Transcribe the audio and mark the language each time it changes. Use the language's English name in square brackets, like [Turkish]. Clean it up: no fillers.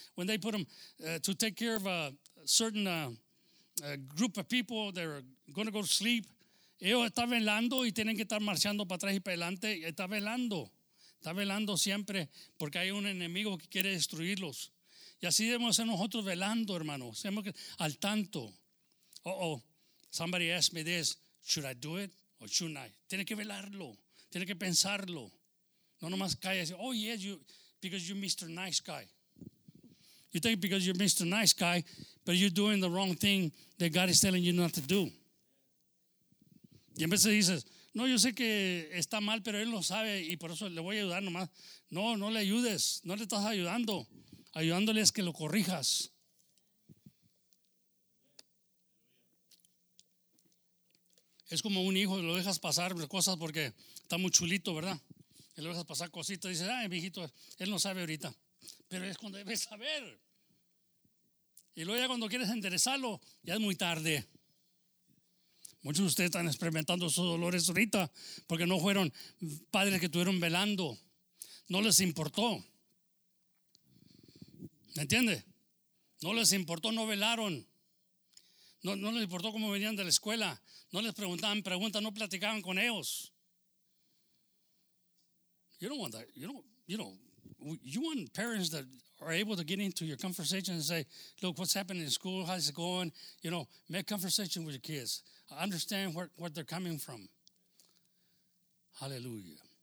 [English] When they put them to take care of a certain group of people that are going to go to sleep. [Spanish] Ellos están velando y tienen que estar marchando para atrás y para adelante. Está velando siempre porque hay un enemigo que quiere destruirlos. Y así debemos ser nosotros velando, hermanos. Tenemos que al tanto. [English] Somebody asked me this. Should I do it or should I? [Spanish] Tiene que velarlo. Tiene que pensarlo. No nomás cae y dice, [English] oh, yes, because you're Mr. Nice Guy. You think because you're Mr. Nice Guy, but you're doing the wrong thing that God is telling you not to do. [Spanish] Y a veces dices, no, yo sé que está mal, pero él lo sabe y por eso le voy a ayudar nomás. No, no le ayudes, no le estás ayudando. Ayudándole es que lo corrijas. Es como un hijo, lo dejas pasar cosas porque está muy chulito, ¿verdad? Y lo dejas pasar cositas y dices, ay, mijito, él no sabe ahorita. Pero es cuando debes saber. Y luego ya cuando quieres enderezarlo, ya es muy tarde. Muchos de ustedes están experimentando esos dolores ahorita porque no fueron padres que estuvieron velando. No les importó. ¿Me entiende? No les importó, no velaron. No les importó cómo venían de la escuela. No les preguntaban preguntas, no platicaban con ellos. [English] You don't want that. You want parents that are able to get into your conversation and say, look, what's happening in school? How's it going? You know, make conversation with your kids. Understand where they're coming from. Hallelujah.